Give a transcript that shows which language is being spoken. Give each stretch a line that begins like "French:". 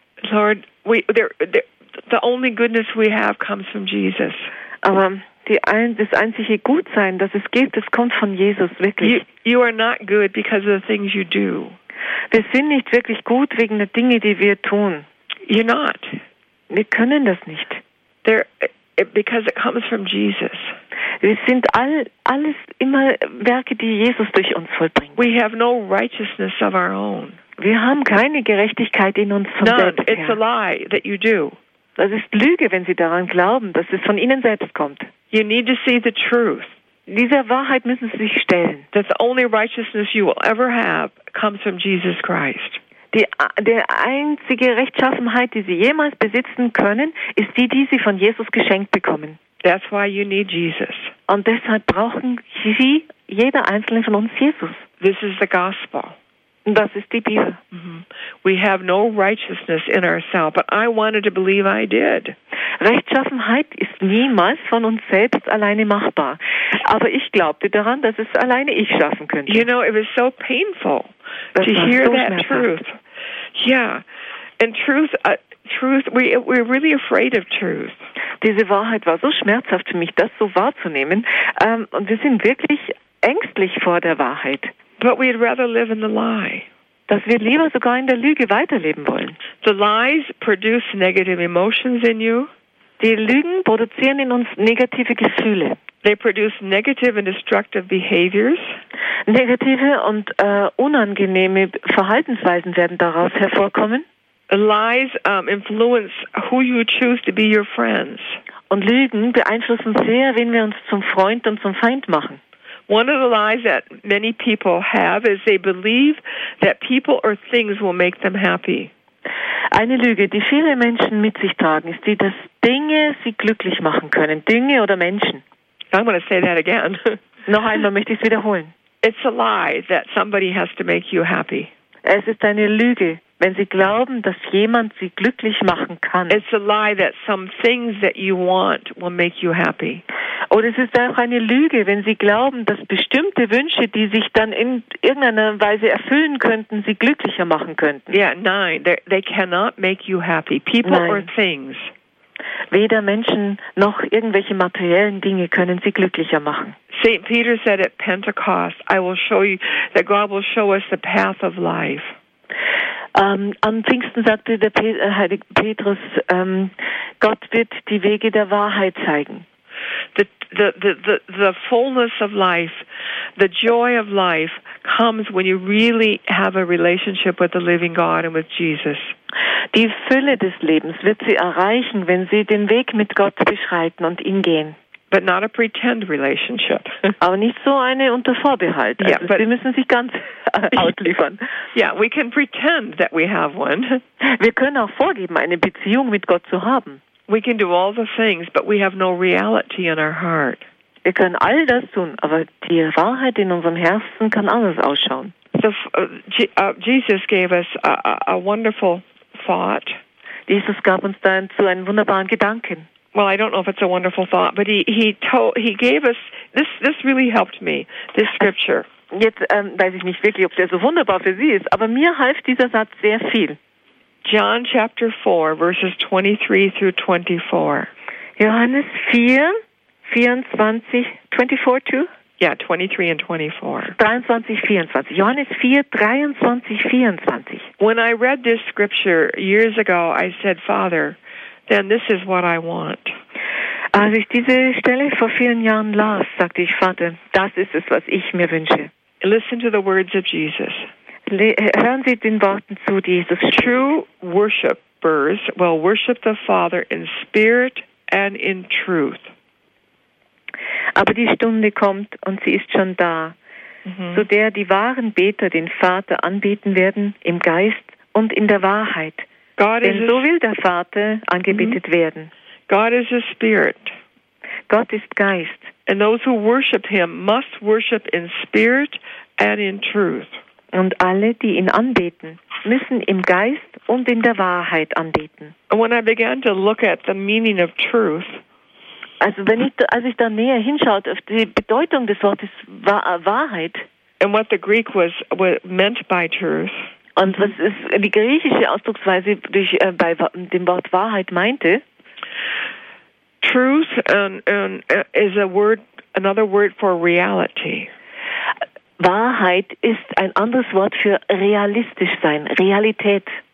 English: Lord, the only goodness we have comes from Jesus.
German: Aber das einzige Gutsein, das es gibt, das kommt von Jesus, wirklich.
English: You are not good because of the things you do.
German: Wir sind nicht wirklich gut wegen der Dinge, die wir tun.
English: You're not.
German: Wir können das nicht.
English: Because it comes from Jesus.
German: Wir sind alles immer Werke, die Jesus durch uns vollbringt.
English: We have no righteousness of our own.
German: Wir haben keine Gerechtigkeit in uns von selbst.
English: No, it's a lie that you do.
German: Das ist Lüge, wenn Sie daran glauben, dass es von Ihnen selbst kommt.
English: You need to see the truth.
German: Dieser Wahrheit müssen Sie sich stellen.
English: That the only righteousness you will ever have comes from Jesus Christ.
German: Die einzige Rechtschaffenheit, die Sie jemals besitzen können, ist die Sie von Jesus geschenkt bekommen.
English: That's why you need Jesus.
German: Und deshalb brauchen Sie, jeder einzelne von uns, Jesus.
English: This is the gospel.
German: Das ist die Bibel. Mm-hmm.
English: We have no righteousness in ourselves, but I wanted to believe I did.
German: Rechtschaffenheit ist niemals von uns selbst alleine machbar. Aber ich glaubte daran, dass es alleine ich schaffen könnte.
English: You know, it was so painful
German: das
English: to hear
German: so
English: that truth. Yeah, and truth, we're really afraid of truth.
German: Diese Wahrheit war so schmerzhaft für mich, das so wahrzunehmen. Und wir sind wirklich ängstlich vor der Wahrheit.
English: But we'd rather live in the lie.
German: Dass wir lieber sogar in der Lüge weiterleben wollen.
English: The lies produce negative emotions in you.
German: Die Lügen produzieren in uns negative Gefühle.
English: They produce negative and destructive behaviors.
German: Negative und unangenehme Verhaltensweisen werden daraus hervorkommen.
English: Lies influence who you choose to be your friends.
German: Und Lügen beeinflussen sehr, wen wir uns zum Freund und zum Feind machen.
English: One of the lies that many people have is they believe that people or things will make them happy.
German: Eine Lüge, die viele Menschen mit sich tragen, ist die, dass Dinge sie glücklich machen können. Dinge oder Menschen.
English: I'm going to say that again.
German: Noch einmal möchte ich es wiederholen.
English: It's a lie that somebody has to make you happy.
German: Es ist eine Lüge, wenn sie glauben, dass jemand sie glücklich machen kann.
English: It's a lie that some things that you want will make you happy.
German: Oder es ist auch eine Lüge, wenn sie glauben, dass bestimmte Wünsche, die sich dann in irgendeiner Weise erfüllen könnten, sie glücklicher machen könnten.
English: Yeah,
German: nein,
English: they cannot make you happy. People
German: nein.
English: Or things.
German: Weder Menschen noch irgendwelche materiellen Dinge können sie glücklicher machen.
English: St. Peter said at Pentecost, I will show you that God will show us the path of life.
German: An Pfingsten sagte der Heilige Petrus, Gott wird die Wege der Wahrheit zeigen.
English: The fullness of life, the joy of life comes when you really have a relationship with the living God and with Jesus.
German: Die Fülle des Lebens wird sie erreichen, wenn sie den Weg mit Gott beschreiten und ihn gehen.
English: But not a pretend relationship.
German: Aber nicht so eine unter Vorbehalt. Also
English: yeah,
German: sie müssen sich ganz ausliefern.
English: Yeah, we can pretend that we have one.
German: Wir können auch vorgeben, eine Beziehung mit Gott zu haben.
English: We can do all the things, but we have no reality in our heart.
German: Wir können all das tun, aber die Wahrheit in unserem Herzen kann anders ausschauen.
English: Jesus gave us a wonderful thought.
German: Jesus gab uns dann zu einem wunderbaren Gedanken.
English: Well, I don't know if it's a wonderful thought, but he gave us this really helped me, this scripture.
German: Jetzt weiß ich nicht wirklich, ob der so wunderbar für Sie ist, aber mir half dieser Satz sehr viel.
English: John chapter 4 verses 23 through 24.
German: Johannes 23
English: and
German: 24. Johannes 4, 23, 24.
English: When I read this scripture years ago, I said, Father, then this is what I want.
German: Als ich diese Stelle vor vielen Jahren las, sagte ich, Vater, das ist es, was ich mir wünsche.
English: Listen to the words of Jesus.
German: Hören Sie den Worten zu, die Jesus spricht.
English: True worshipers will worship the Father in spirit and in truth.
German: Aber die Stunde kommt und sie ist schon da, zu der die wahren Beter den Vater anbeten werden, im Geist und in der Wahrheit. Denn so will der Vater angebetet werden.
English: God is a spirit.
German: Gott ist Geist.
English: And those who worship him must worship in spirit and in truth.
German: Und alle, die ihn anbeten, müssen im Geist und in der Wahrheit anbeten.
English: And when I began to look at the meaning of truth,
German: also als ich da näher hinschaut auf die Bedeutung des Wortes Wahrheit
English: and what the Greek was meant by truth,
German: und was es, die griechische Ausdrucksweise bei dem Wort Wahrheit meinte,
English: truth and is a word, another word for reality.
German: Wahrheit ist ein anderes Wort für realistisch sein, Realität.